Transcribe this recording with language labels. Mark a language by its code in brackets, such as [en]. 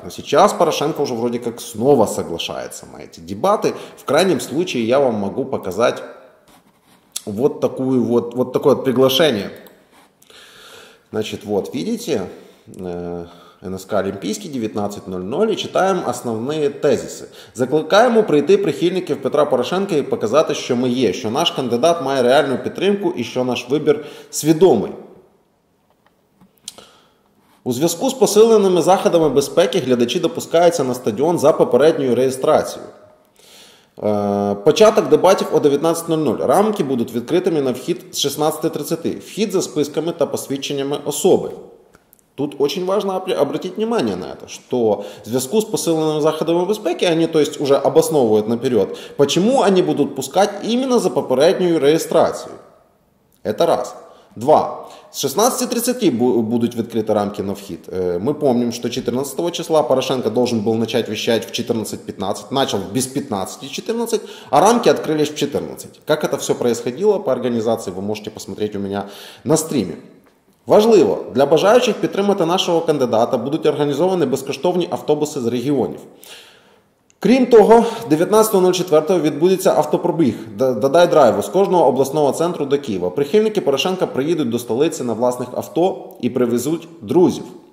[ru] Но сейчас Порошенко уже вроде как снова соглашается на эти дебаты. В крайнем случае я вам могу показать вот такое приглашение. Значит, вот видите, НСК Олимпийский, 19:00, и читаем основные тезисы. [uk] Закликаємо прийти прихильників Петра Порошенка і показати, що ми є, що наш кандидат має реальну підтримку і що наш вибір свідомий. У зв'язку з посиленими заходами безпеки глядачі допускаються на стадіон за попередньою реєстрацією. Початок дебатів о 19:00. Рамки будуть відкритими на вхід з 16:30. Вхід за списками та посвідченнями особи. [ru] Тут очень важно обратить внимание на это, что в связку с посиленными заходами безопасности, они, то есть, уже обосновывают наперед, почему они будут пускать именно за [uk] попереднюю реєстрацію. [ru] Это раз. Два. С 16:30 будут открыты рамки на вход. Мы помним, что 14 числа Порошенко должен был начать вещать в 14:15. Начал без 15:14, а рамки открылись в 14. Как это все происходило по организации, вы можете посмотреть у меня на стриме. [uk] Важливо. Для бажаючих підтримати нашого кандидата будуть організовані безкоштовні автобуси з регіонів. Крім того, 19.04 відбудеться автопробіг «Дадай драйву» з кожного обласного центру до Києва. Прихильники Порошенка приїдуть до столиці на власних авто і привезуть друзів.